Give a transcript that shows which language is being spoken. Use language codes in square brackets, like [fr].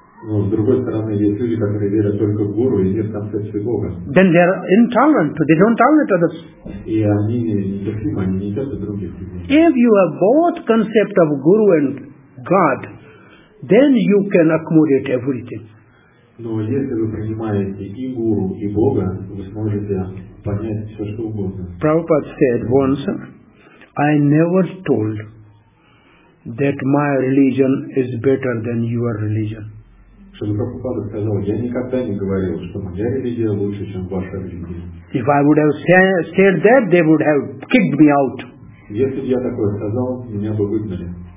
[en] Then they are intolerant. They don't tolerate others. If you have both concept of guru and God, then you can accommodate everything. [ru] Но если вы принимаете и гуру, и Бога, вы сможете понять все, что угодно. [en] Prabhupada said once, I never told that my religion is better than your religion. [ru] Шрила сказал, я никогда не говорил, что моя религия лучше, чем ваша религия. [en] If I would have said that, they would have kicked me out. [ru] Если бы я такое сказал, меня бы выгнали.